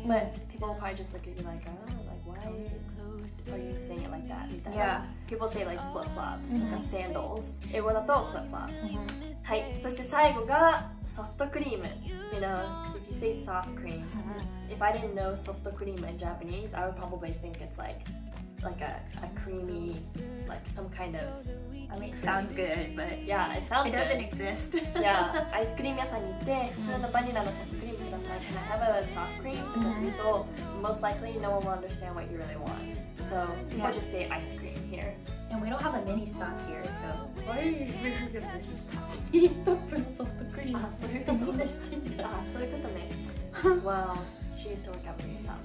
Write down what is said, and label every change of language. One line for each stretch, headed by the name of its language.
English: But people probably just look at you like, oh, like, why are you saying it like that? So yeah. People say like flip-flops, like sandals.
Japanese: 英語だと
English: flip-flops.
Japanese: はい、そして最後がソフトクリーム。
English: You know, if you say soft cream, if I didn't know soft cream in Japanese, I would probably think it's like a creamy, like some kind of. I mean, it sounds good, but yeah, it sounds good. It doesn't exist.
Japanese: Yeah, アイスクリーム屋さんに行って普通のバニラのソフトクリームください。
English: Can I have a soft cream?
Japanese: とか言うと、
English: most likely no one will understand what you really want. So people just say ice cream here. And we don't have a mini stop here, so... Why are you going to get a mini stop?
Japanese: Mini stop のソフトクリーム。あ、そういうことね。知ってんだ。あ、そういうことね。
English: Well, she used to work at mini stop.